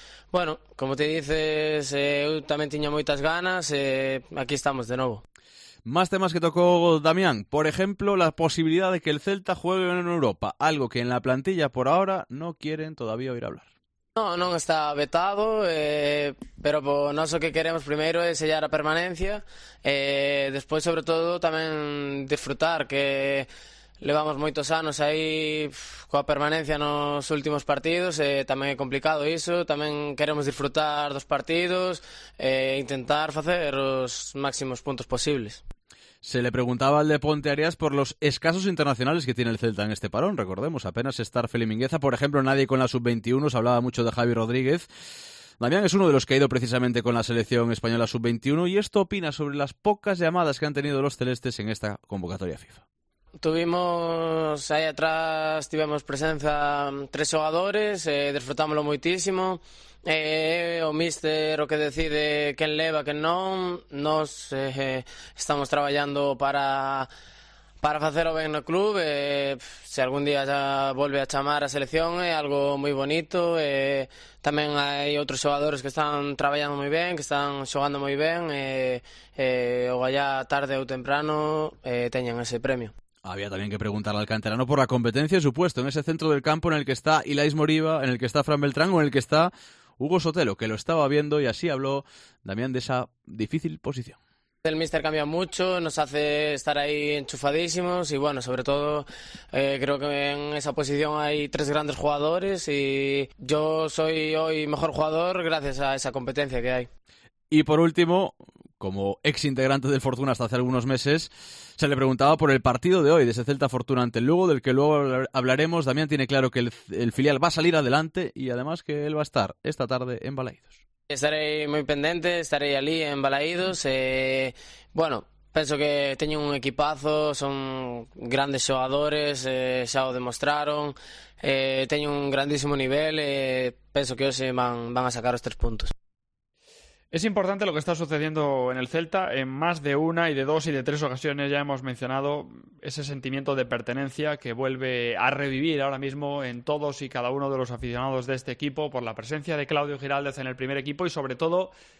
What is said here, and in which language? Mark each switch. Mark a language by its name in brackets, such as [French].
[Galician] Bueno, como te dices, eu tamén tiña moitas ganas, aquí estamos de novo. [Spanish] Más temas que tocó Damián, por ejemplo, la posibilidad de que el Celta juegue en Europa, algo que en la plantilla por ahora no quieren todavía oír hablar. No está vetado, pero pues, [Galician] nós o que queremos primeiro é sellar a permanencia, despois, sobre todo, tamén disfrutar, que levamos moitos anos aí coa permanencia nos últimos partidos, tamén é complicado iso, tamén queremos disfrutar dos partidos e intentar facer os máximos puntos posibles. [Spanish] Se le preguntaba al de Ponte Arias por los escasos internacionales que tiene el Celta en este parón. Recordemos, apenas Starfelt y Mingueza. Por ejemplo, nadie con la sub-21. Se hablaba mucho de Javi Rodríguez. Damián es uno de los que ha ido precisamente con la selección española sub-21 y esto opina sobre las pocas llamadas que han tenido los celestes en esta convocatoria FIFA. Tuvimos ahí atrás, tuvimos presencia tres jugadores, [Galician] disfrutámoslo muitísimo. O míster o que decide quen leva, quen non. Nos estamos traballando para facelo ben no club. Se algún día xa volve a chamar a selección é algo moi bonito. Tamén hai outros xogadores que están traballando moi ben, que están xogando moi ben. O allá tarde ou temprano teñen ese premio. [Spanish] Había también que preguntar al canterano por la competencia, supuesto, en ese centro del campo en el que está Ilaís Moriba, en el que está Fran Beltrán o en el que está Hugo Sotelo, que lo estaba viendo y así habló Damián de esa difícil posición. El míster cambia mucho, nos hace estar ahí enchufadísimos y bueno, sobre todo creo que en esa posición hay tres grandes jugadores y yo soy hoy mejor jugador gracias a esa competencia que hay. Y por último, como ex integrante del Fortuna hasta hace algunos meses, se le preguntaba por el partido de hoy, de ese Celta Fortuna ante el Lugo, del que luego hablaremos. Damián tiene claro que el filial va a salir adelante y además que él va a estar esta tarde en Balaídos. Estaré muy pendiente, estaré allí en Balaídos. [Galician] Bueno, penso que teñen un equipazo, son grandes xogadores, xa o demostraron, teñen un grandísimo nivel, penso que hoxe van a sacar os tres puntos. [Spanish] Es importante lo que está sucediendo en el Celta. En más de una y de dos y de tres ocasiones ya hemos mencionado ese sentimiento de pertenencia que vuelve a revivir ahora mismo en todos y cada uno de los aficionados de este equipo por la presencia de Claudio Giraldez en el primer equipo y sobre todo